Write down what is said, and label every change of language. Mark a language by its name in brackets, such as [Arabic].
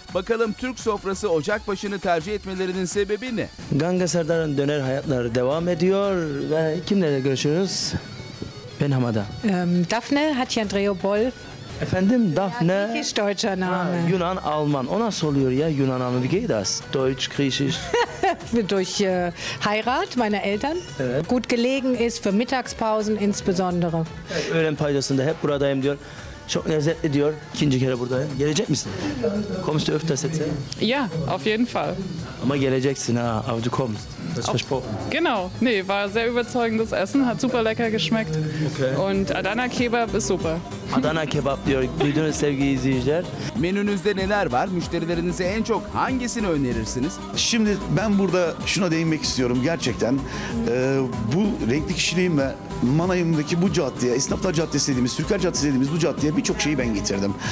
[Turkish] Bakalım Türk sofrası Ocakbaşı'nı tercih etmelerinin sebebi ne? Ganga Serdar'ın döner hayatları devam ediyor. Ve kimlerle görüşüyoruz? Ben Hamada. Daphne Hatyandreou-Boll. Efendim Daphne. [German] Ja, ist deutscher Name. [Turkish] Yunan Alman. O nasıl oluyor ya Yunan Name? [German] Wie geht das? Deutsch, Griechisch. Durch Heirat meiner Eltern. [Turkish] Evet. [German] Gut gelegen ist für Mittagspausen insbesondere. [Turkish] Öğlen paydasında hep buradayım diyor. Çok lezzetli diyor. İkinci kere buradayım. Gelecek misin? [German] Kommst du öfters jetzt? Ja, auf jeden Fall. [Turkish] Ama geleceksin ha. [German] Aber du kommst. Das ist versprochen. Genau. Nee, war sehr überzeugendes Essen. Hat super lecker geschmeckt. Okay. Und Adana Kebab ist super. [Turkish] Adana Kebab diyor. Duydunuz sevgili izleyiciler. Menünüzde neler var? Müşterilerinize en çok hangisini önerirsiniz? Şimdi ben burada şuna değinmek istiyorum gerçekten. Bu renkli kişiliğim ve Manayım'daki bu caddeye, Esnaflar Caddesi dediğimiz, Türker Caddesi dediğimiz bu caddeye birçok şeyi ben getirdim.